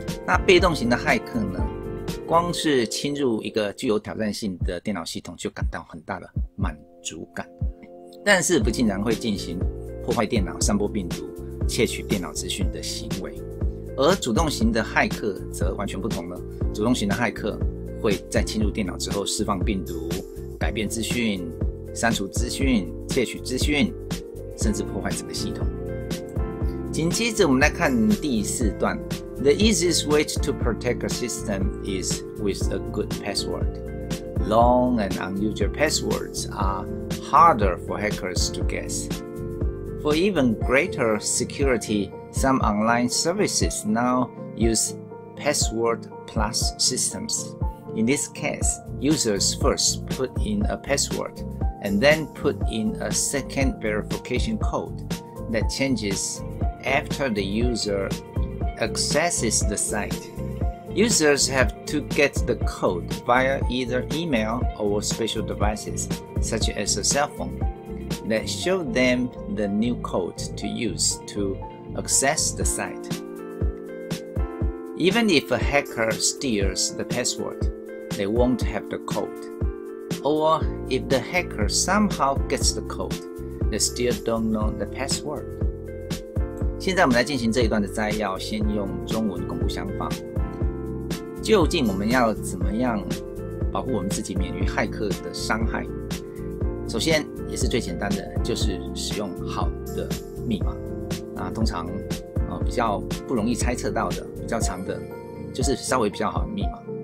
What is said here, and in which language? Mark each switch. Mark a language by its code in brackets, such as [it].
[zh] 那被动型的骇客呢，光是侵入一个具有挑战性的电脑系统就感到很大的满足感，但是不竟然会进行破坏电脑、散播病毒、窃取电脑资讯的行为。而主动型的骇客则完全不同了，主动型的骇客会在侵入电脑之后释放病毒、改变资讯、删除资讯、窃取资讯，甚至破坏整个系统。紧接着我们来看第四段。 [en] The easiest way to protect a system is with a good password. Long and unusual passwords are harder for hackers to guess. For even greater security, some online services now use password plus systems. In this case, users first put in a password and then put in a second verification code that changes after the useraccesses the site. Users have to get the code via either email or special devices, such as a cell phone, that show them the new code to use to access the site. Even if a hacker steals the password, they won't have the code. Or if the hacker somehow gets the code, they still don't know the password. [zh] 现在我们来进行这一段的摘要，先用中文巩固想法。究竟我们要怎么样保护我们自己免于骇客的伤害？首先也是最简单的，就是使用好的密码。那通常比较不容易猜测到的，比较长的，就是稍微比较好的密码。